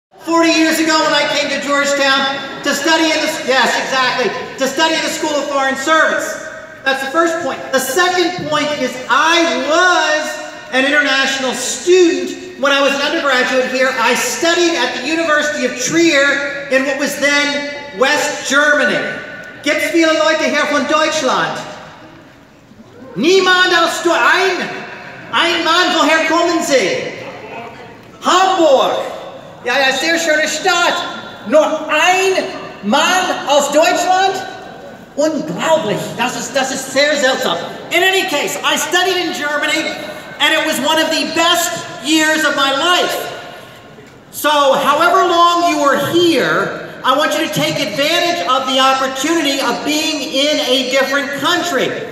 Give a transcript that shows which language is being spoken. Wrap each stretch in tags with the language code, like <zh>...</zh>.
<en>40 years ago when I came to Georgetown to study in the, yes, exactly, to study in the School of Foreign Service. That's the first point. The second point is I was an international student when I was an undergraduate here. I studied at the University of Trier in what was then West Germany.</en> <de>Gibt's viele Leute hier von Deutschland? Niemand aus Deutschland. Ein Mann, woher kommen Sie? Hamburg. Ja, ja, sehr schöne Stadt. Nur ein Mann aus Deutschland? Unglaublich. Das ist sehr seltsam.</de> <en>In any case, I studied in Germany, and it was one of the best years of my life. So however long you were here, I want you to take advantage of the opportunity of being in a different country.</en>